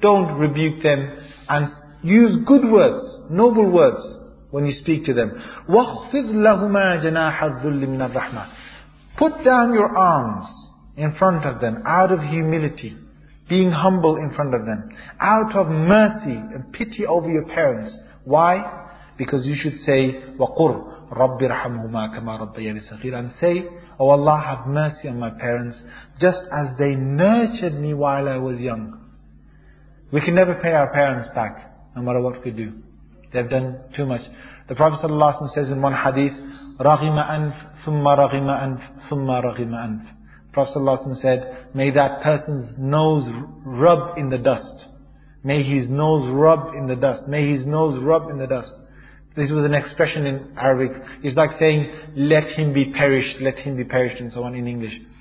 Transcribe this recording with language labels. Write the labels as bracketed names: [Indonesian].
[English] Don't rebuke them and use good words, noble words, when you speak to them. [Arabic] وَخْفِضْ لَهُمَا جَنَاحَ الذُّلِّ مِنَ الرَّحْمَةِ. [English] Put down your arms in front of them, out of humility, being humble in front of them, out of mercy and pity over your parents. Why? Because you should say, [Arabic] وَقُرْ رَبِّ رَحَمْهُمَا كَمَا رَبَّيَنِي صَغِيرًا. [English] And say, oh Allah, have mercy on my parents, just as they nurtured me while I was young. We can never pay our parents back, no matter what we do. They've done too much. The Prophet ﷺ says in one hadith, [Arabic] رَغِمَ أَنْفْ ثُمَّ رَغِمَ أَنْفْ ثُمَّ رَغِمَ أَنْفْ. [English] The Prophet ﷺ said, may that person's nose rub in the dust. May his nose rub in the dust. May his nose rub in the dust. This was an expression in Arabic. It's like saying, let him be perished, let him be perished, and so on in English.